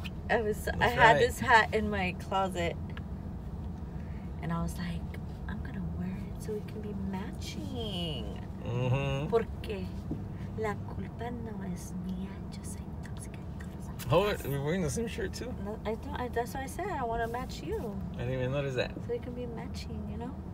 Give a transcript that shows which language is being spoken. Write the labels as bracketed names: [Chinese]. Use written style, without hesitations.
[English] I had this hat in my closet. And I was like, I'm gonna wear it so we can be matching. Mm-hmm. [Spanish] Porque la culpa no es mía. Yo soy tóxica. [English] Oh, we're wearing the same shirt too. That's what I said. I want to match you. I didn't even notice that. So it can be matching, you know?